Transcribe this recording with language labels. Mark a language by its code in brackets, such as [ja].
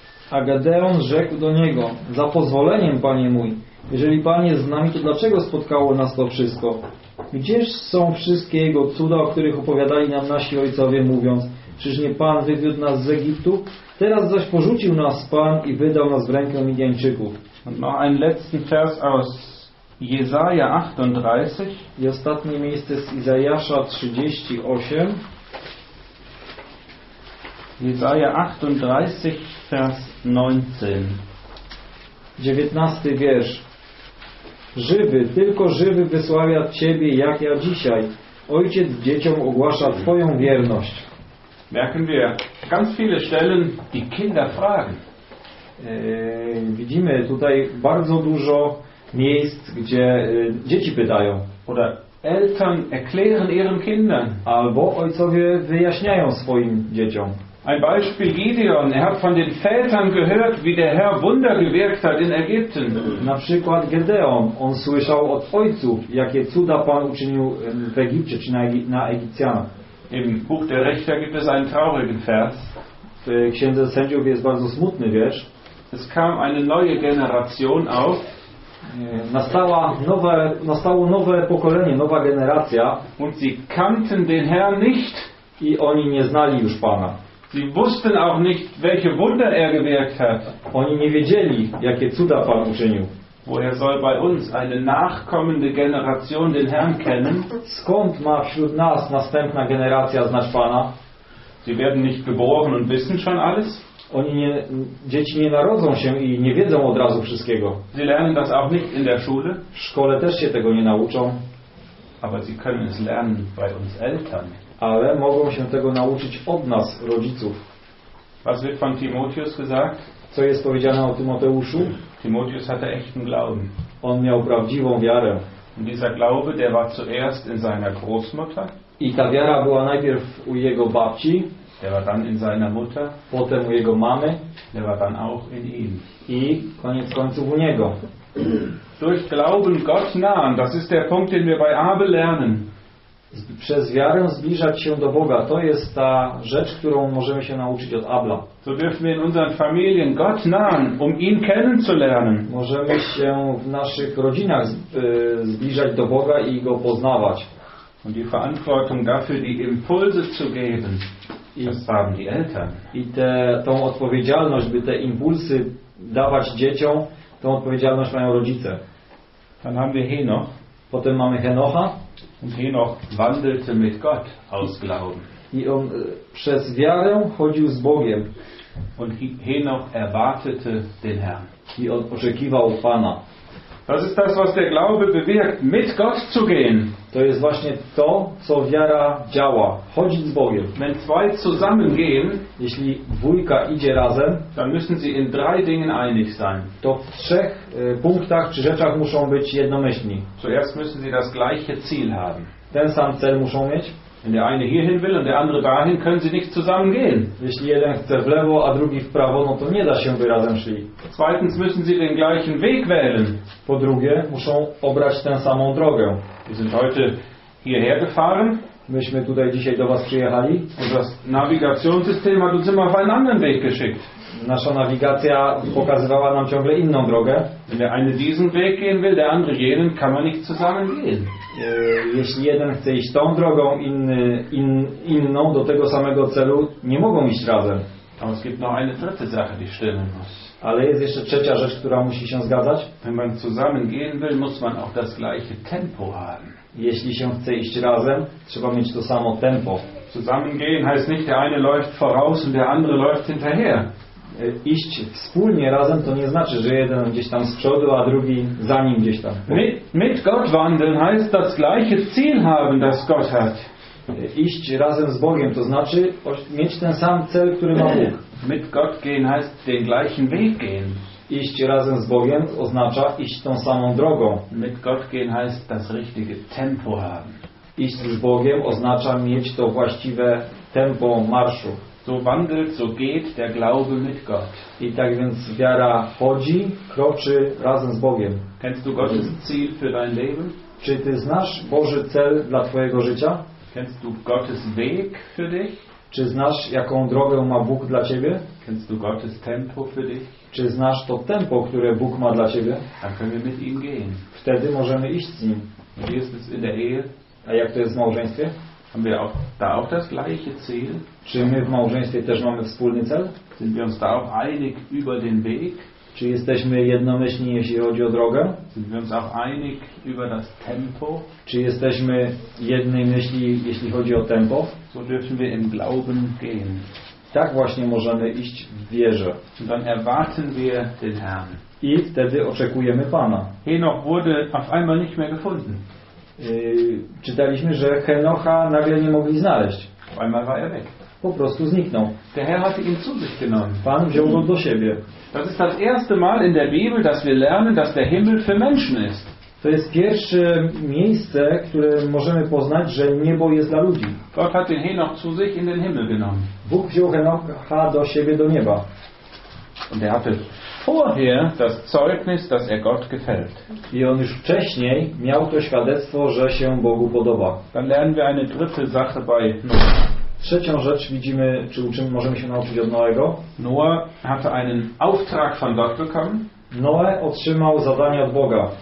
[pl] A Gedeon rzekł do niego, za pozwoleniem, panie mój, jeżeli pan jest z nami, to dlaczego spotkało nas to wszystko? Gdzież są wszystkie jego cuda, o których opowiadali nam nasi ojcowie, mówiąc, czyż nie pan wywiódł nas z Egiptu? Teraz zaś porzucił nas pan i wydał nas w rękę Midiańczyków. [de] No, ein letzten Vers aus Jesaja 38. [pl] I ostatnie miejsce z Izajasza 38. [de] Jesaja 38, Vers 19. [pl] 19 wiersz. Żywy, tylko żywy wysławia ciebie, jak ja dzisiaj. Ojciec dzieciom ogłasza twoją wierność. [de] Merken wir ganz viele Stellen, die Kinder fragen. [pl] Widzimy tutaj bardzo dużo miejsc, gdzie dzieci pytają. [de] Oder Eltern erklären ihren Kindern. [pl] Albo ojcowie wyjaśniają swoim dzieciom. [de] Ein Beispiel Gideon, er hat von den Vätern gehört, wie der Herr Wunder gewirkt hat in Ägypten. [pl] Na przykład Gedeon, on słyszał od ojców, jakie cuda Pan uczynił w Egipcie, czy na Egipcjanach. [de] Im Buch der Richter gibt es einen traurigen Vers. [pl] W Księdze Sędziów jest bardzo smutny wiersz. [de] Es kam eine neue Generation auf. [pl] Nastało nowe pokolenie, nowa generacja. [de] Und sie kannten den Herrn nicht. [pl] I oni nie znali już Pana. [de] Sie wussten auch nicht, welche Wunder er gewirkt hat. [pl] Oni nie wiedzieli, jakie cuda Pan uczynił. [de] Woher soll bei uns eine nachkommende Generation den Herrn kennen? [pl] Skąd ma wśród nas następna generacja znać Pana? [de] Sie werden nicht geboren und wissen schon alles. [pl] Dzieci nie narodzą się i nie wiedzą od razu wszystkiego. [de] Sie lernen das auch nicht in der Schule. [pl] W szkole też się tego nie nauczą. [de] Aber sie können es lernen bei uns Eltern. [pl] Ale mogą się tego nauczyć od nas, rodziców. [de] Was wird von Timotheus gesagt? [pl] Co jest powiedziane o Tymoteuszu? [de] Timotheus hatte echten Glauben. [pl] On miał prawdziwą wiarę. [de] Und dieser Glaube, der war zuerst in seiner Großmutter. [pl] I ta wiara była najpierw u jego babci. [de] Der war dann in seiner Mutter. [pl] Potem u jego mamy. [de] Der war dann auch in ihm. [pl] I koniec końców u niego. [de] Durch Glauben Gott nahen, das ist der Punkt, den wir bei Abel lernen. [pl] Przez wiarę zbliżać się do Boga, to jest ta rzecz, którą możemy się nauczyć od Abla. [de] So dürfen wir in unseren Familien Gott nahen, um ihn kennenzulernen. [pl] Możemy się w naszych rodzinach zbliżać do Boga i go poznawać. [de] Und die Verantwortung dafür, die Impulse zu geben. Das haben die Eltern. [pl] I tą odpowiedzialność, by te impulsy dawać dzieciom, tą odpowiedzialność mają rodzice. [de] Dann haben wir Henoch. [pl] Potem mamy Henocha. [de] Und Henoch wandelte mit Gott aus Glauben. [pl] I on przez wiarę chodził z Bogiem. [de] Und Henoch erwartete den Herrn. [pl] I on oczekiwał Pana. [de] Das ist das, was der Glaube bewirkt, mit Gott zu gehen. [pl] To jest właśnie to, co wiara działa. Chodzić z Bogiem. [de] Wenn zwei zusammen gehen, [pl] jeśli dwójka idzie razem, [de] dann müssen sie in drei Dingen einig sein. [pl] To w trzech punktach czy rzeczach muszą być jednomyślni. [de] Zuerst müssen sie das gleiche Ziel haben. [pl] Ten sam cel muszą mieć. [de] Wenn der eine hierhin will und der andere dahin, können sie nicht zusammen gehen. [pl] Jeśli jeden chce w lewo, a drugi w prawo, no to nie da się, by razem szli. [de] Zweitens müssen sie den gleichen Weg wählen. [pl] Po drugie, muszą obrać tę samą drogę. [de] Wir sind heute hierher gefahren. [pl] Myśmy tutaj dzisiaj do was przyjechali. [de] Und das Navigationssystem hat uns immer auf einen anderen Weg geschickt. [pl] Nasza nawigacja pokazywała nam ciągle inną drogę. [de] Wenn der eine diesen Weg gehen will, der andere jenen, kann man nicht zusammen gehen. [pl] Jeśli jeden chce iść tą drogą, inną do tego samego celu, nie mogą iść razem. [de] Aber es gibt noch eine dritte Sache, die stimmen muss. [pl] Ale jest jeszcze trzecia rzecz, która musi się zgadzać. [de] Wenn man zusammen gehen will, muss man auch das gleiche Tempo haben. [pl] Jeśli się chce iść razem, trzeba mieć to samo tempo. [de] Zusammen gehen heißt nicht, der eine läuft voraus und der andere läuft hinterher. [pl] Iść wspólnie razem to nie znaczy, że jeden gdzieś tam z przodu, a drugi za nim gdzieś tam. [de] Mit Gott wandeln heißt das gleiche Ziel haben, das Gott hat. [pl] Iść razem z Bogiem to znaczy mieć ten sam cel, który ma Bóg. [de] Mit Gott gehen heißt den gleichen Weg gehen. [pl] Iść razem z Bogiem oznacza iść tą samą drogą. [de] Mit Gott gehen heißt das richtige Tempo haben. [pl] Iść z Bogiem oznacza mieć to właściwe tempo marszu. [de] So wandelt, so geht der Glaube mit Gott. [pl] I tak więc wiara chodzi, kroczy razem z Bogiem. [de] Kennst du Gottes Ziel für dein Leben? [pl] Czy ty znasz Boży cel dla twojego życia? [de] Kennst du Gottes Weg für dich? [pl] Czy znasz, jaką drogę ma Bóg dla ciebie? [de] Kennst du Gottes Tempo für dich? [pl] Czy znasz to tempo, które Bóg ma dla ciebie? [de] Dann können wir mit ihm gehen. [pl] Wtedy możemy iść z nim. [de] Wie ist es in der Ehe? [pl] A jak to jest w małżeństwie? [de] Haben wir auch da auch das gleiche Ziel? [pl] Czy my w małżeństwie też mamy wspólny cel? [de] Sind wir uns da auch einig über den Weg? [pl] Czy jesteśmy jednomyślni, jeśli chodzi o drogę? [de] Sind wir uns auch einig über das Tempo? [pl] Czy jesteśmy jednej myśli, jeśli chodzi o tempo? [de] So dürfen wir im Glauben gehen. [pl] Tak właśnie możemy iść w wierze. [de] Und dann erwarten wir den Herrn. [pl] I wtedy oczekujemy Pana. [de] Henoch wurde auf einmal nicht mehr gefunden. [pl] Czytaliśmy, że Henocha nagle nie mogli znaleźć. [de] Einmal war er weg. [pl] Po prostu zniknął. [de] Der Herr hatte ihn zu sich genommen. [pl] Pan wziął go do siebie. [de] Das ist das erste Mal in der Bibel, dass wir lernen, dass der Himmel für Menschen ist. [pl] To jest pierwsze miejsce, które możemy poznać, że niebo jest dla ludzi. [de] Gott hat den Henoch zu sich in den Himmel genommen. [pl] Bóg wziął Henocha do siebie, do nieba. [de] Und er hatte vorher das Zeugnis, dass er Gott gefällt. [pl] I on już wcześniej miał to świadectwo, że się Bogu podoba. [de] Dann lernen wir eine dritte Sache bei [pl] Trzecią rzecz widzimy, czy uczymy, możemy się nauczyć od Noego. [de] Noah hatte einen Auftrag von Gott bekommen. [pl] Noe otrzymał zadanie od Boga.